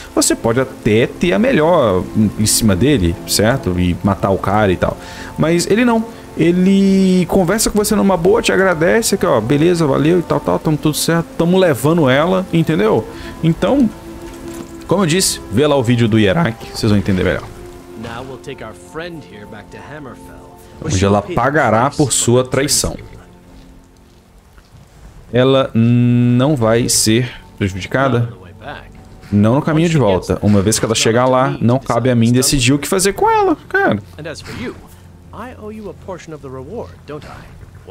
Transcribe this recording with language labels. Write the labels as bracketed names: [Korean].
[Portuguese] Você pode até ter a melhor em cima dele, certo? E matar o cara e tal. Mas ele não. Ele conversa com você numa boa, te agradece, aqui, ó, beleza, valeu e tal, tal, tamo tudo certo, tamo levando ela, entendeu? Então, como eu disse, vê lá o vídeo do Yerak, vocês vão entender melhor. [English] Now we'll take our friend here back to Hammerfell. [Portuguese] Hoje ela pagará por sua traição. Ela não vai ser prejudicada. Não no caminho de volta. Uma vez que ela chegar lá, não cabe a mim decidir o que fazer com ela, cara. [English] And as for you, I owe you a portion of the reward, don't I?